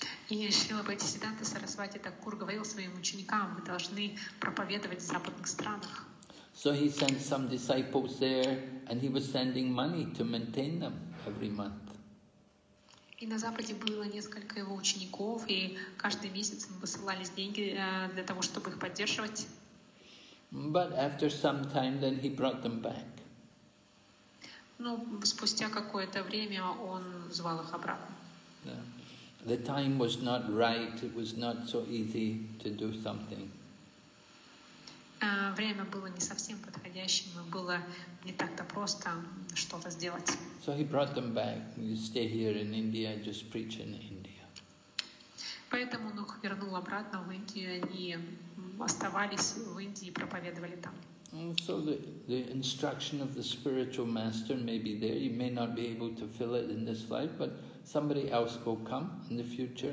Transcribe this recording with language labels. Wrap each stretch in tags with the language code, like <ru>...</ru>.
<ru>Ишила Бхактисиддханта Сарасвати Такур говорил своим ученикам, вы должны проповедовать в западных странах.</ru> <en>So he sent some disciples there and he was sending money to maintain them every month.</en> <ru>И на Западе было несколько его учеников, и каждый месяц им высылались деньги для того, чтобы их поддерживать.</ru> <en>But after some time, then he brought them back.</en> <ru>Ну, спустя какое-то время он звал их обратно.</ru> <en>Yeah. The time was not right, it was not so easy to do something.</en> <ru>Время было не совсем подходящим, и было не так-то просто что-то сделать.</ru> <en>So he brought them back. You stay here in India, just preach in India.</en> <ru>Поэтому он их вернул обратно в Индию, они оставались в Индии и проповедовали там.</ru> <en>So the instruction of the spiritual master may be there. You may not be able to fill it in this life, but somebody else will come in the future.</en>